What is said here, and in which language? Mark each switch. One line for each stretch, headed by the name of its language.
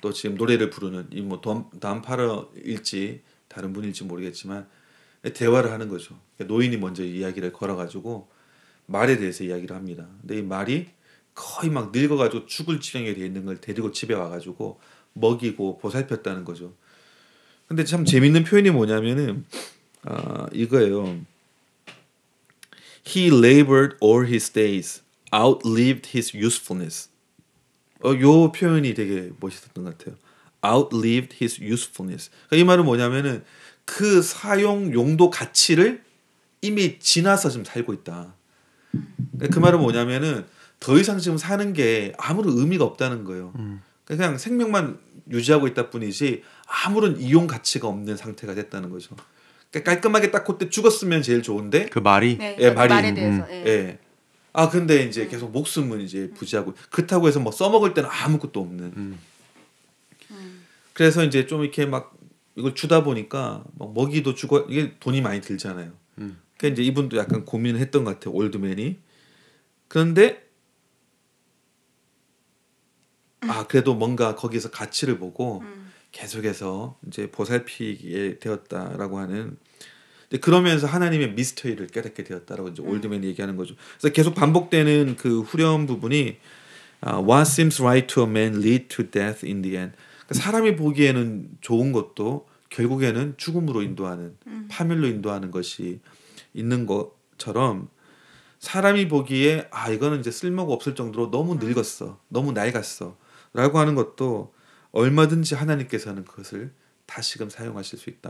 Korean: 또 지금 노래를 부르는 이 뭐 담파러일지 다른 분일지 모르겠지만 대화를 하는 거죠. 노인이 먼저 이야기를 걸어가지고 말에 대해서 이야기를 합니다. 근데 이 말이 거의 막 늙어가지고 죽을 지경에 돼 있는 걸 데리고 집에 와가지고 먹이고 보살폈다는 거죠. 근데 참 재밌는 표현이 뭐냐면은. 아, 이거예요.
English: He labored all his days, outlived his usefulness.
Korean: 요 표현이 되게 멋있었던 것 같아요.
English: Outlived his usefulness.
Korean: 그러니까 이 말은 뭐냐면은 그 사용 용도 가치를 이미 지나서 지금 살고 있다. 그러니까 그 말은 뭐냐면은 더 이상 지금 사는 게 아무런 의미가 없다는 거예요. 그냥 생명만 유지하고 있다 뿐이지 아무런 이용 가치가 없는 상태가 됐다는 거죠. 깔끔하게 딱 그때 죽었으면 제일 좋은데 그 말이 네, 예, 말이 말에 대해서 예아 예. 근데 이제 계속 목숨은 이제 부지하고 그렇다고 해서 뭐 써먹을 때는 아무것도 없는 그래서 이제 좀 이렇게 막 이걸 주다 보니까 막 먹이도 주고 이게 돈이 많이 들잖아요. 그러니까 이제 이분도 약간 고민을 했던 것 같아요. 올드맨이. 그런데 아 그래도 뭔가 거기서 가치를 보고 계속해서 이제 보살피게 되었다라고 하는. 근데 그러면서 하나님의 미스터리를 깨닫게 되었다라고 이제 올드맨이 얘기하는 거죠. 그래서 계속 반복되는 그 후렴 부분이
English: What seems right to a man lead to death in the end.
Korean: 그러니까 사람이 보기에는 좋은 것도 결국에는 죽음으로 인도하는 파멸로 인도하는 것이 있는 것처럼 사람이 보기에 아 이거는 이제 쓸모가 없을 정도로 너무 늙었어, 너무 낡았어라고 하는 것도 얼마든지 하나님께서는 그것을 다시금 사용하실 수 있다.